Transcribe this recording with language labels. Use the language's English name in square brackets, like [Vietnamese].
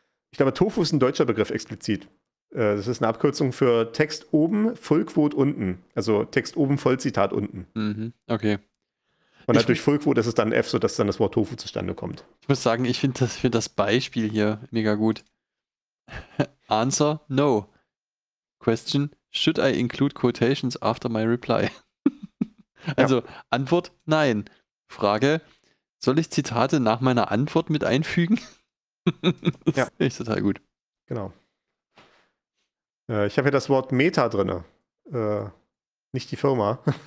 [German] Ich glaube, Tofu ist ein deutscher Begriff explizit. Das ist eine Abkürzung für Text oben, Vollquote unten. Also Text oben, Vollzitat unten. Mhm. Okay. Und halt durch Vollquote ist es dann F, sodass dann das Wort Tofu zustande kommt. Ich muss sagen, ich finde das Beispiel hier mega gut. [English] Answer, no. Question, should I include quotations after my reply? [German] Also ja. Antwort, nein. Frage, soll ich Zitate nach meiner Antwort mit einfügen? Das ja. Ist total gut. Genau. Ich habe hier das Wort Meta drin. Nicht die Firma.